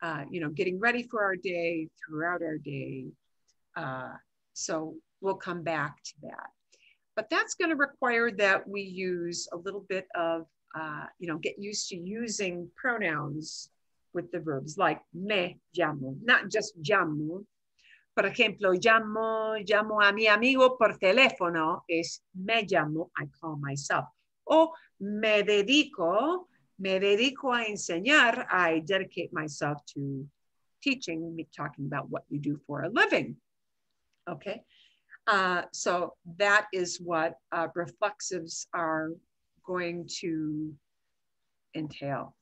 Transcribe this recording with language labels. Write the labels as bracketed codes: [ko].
[en] You know, getting ready for our day, throughout our day. So we'll come back to that. But that's gonna require that we use a little bit of, you know, get used to using pronouns with the verbs, like me llamo, not just llamo. [es] Por ejemplo, llamo a mi amigo por teléfono, es me llamo, [en] I call myself. [es] O me dedico a enseñar, [en] I dedicate myself to teaching, me talking about what you do for a living. Okay, so that is what reflexives are going to entail.